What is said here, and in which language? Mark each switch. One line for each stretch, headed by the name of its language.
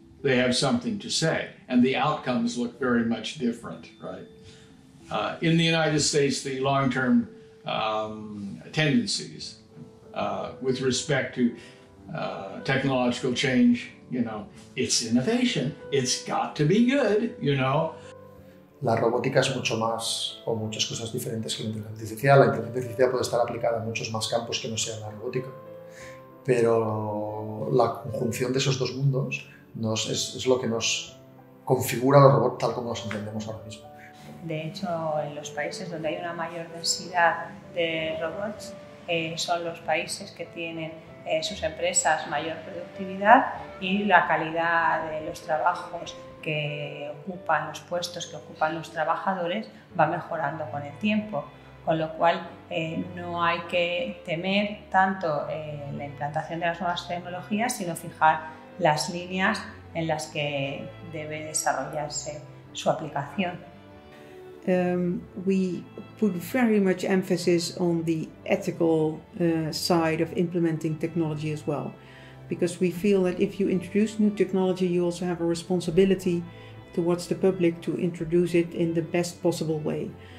English: They have something to say, and the outcomes look very much different, right? In the United States, the long-term tendencies with respect to technological change, you know, it's innovation. It's got to be good, you know?
Spanish: La robótica es mucho más, o muchas cosas diferentes que la inteligencia artificial. La inteligencia artificial puede estar aplicada en muchos más campos que no sea la robótica. Pero la conjunción de esos dos mundos es lo que nos configura los robots tal como los entendemos ahora mismo. De hecho, en los países donde hay una mayor densidad de robots, son los países que tienen sus empresas mayor productividad y la calidad de los trabajos que ocupan, los puestos que ocupan los trabajadores, va mejorando con el tiempo. Con lo cual, no hay que temer tanto la implantación de las nuevas tecnologías, sino fijar las líneas en las que debe desarrollarse su aplicación.
English: We put very much emphasis on the ethical side of implementing technology as well, because we feel that if you introduce new technology, you also have a responsibility towards the public to introduce it in the best possible way.